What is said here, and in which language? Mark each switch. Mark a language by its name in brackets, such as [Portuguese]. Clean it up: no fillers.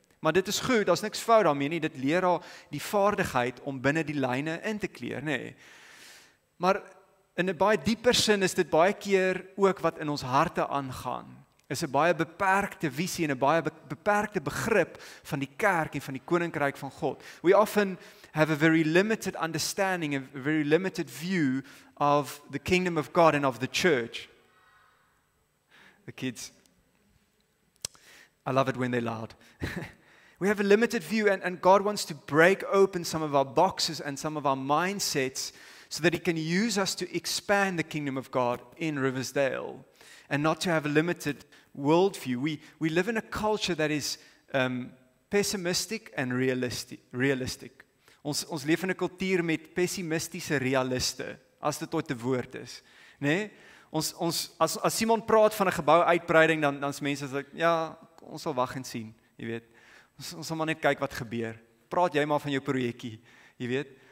[Afrikaans] Maar dit is goed, daar is niks fout daarmee nie, dit leer haar die vaardigheid om binne die lyne in te kleer. Nee. Maar in 'n baie dieper sin is dit baie keer ook wat in ons harte aangaan. Is 'n baie beperkte visie en 'n baie beperkte begrip van die kerk en van die koninkryk van God. [English] We often have a very limited understanding, a very limited view of the kingdom of God and of the church. The kids, I love it when they're loud. We have a limited view and God wants to break open some of our boxes and some of our mindsets so that he can use us to expand the kingdom of God in Riversdale and not to have a limited worldview. We live in a culture that is pessimistic and realistic. [Afrikaans] Ons leef in 'n kultuur met pessimistiese realiste, as dit ooit 'n woord is. Nee? As Simon praat van 'n gebou uitbreiding, dan is mense sê, ja, ons sal wag en sien, jy weet. Ons sal maar net kyk wat gebeur. Praat jy maar van jou projekkie, jy weet.